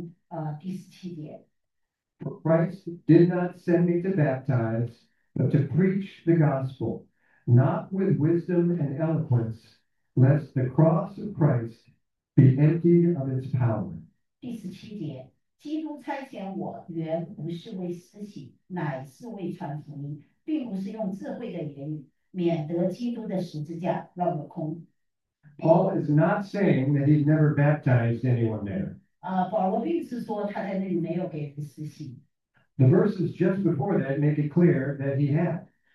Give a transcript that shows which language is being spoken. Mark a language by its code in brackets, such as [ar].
[zh] 我们刚读了这些经文，但是我想再读一遍，我们从第17节。 [en] For Christ did not send me to baptize, but to preach the gospel, not with wisdom and eloquence, lest the cross of Christ be emptied of its power. [zh] 第17节，基督差遣我，原不是为施洗，乃是为传福音，并不是用智慧的言语，免得基督的十字架落个空。 [en] Paul is not saying that he'd never baptized anyone there. [zh] 保罗并不是说他在那里没有给人施洗。 [en] The verses just before that make it clear that he had.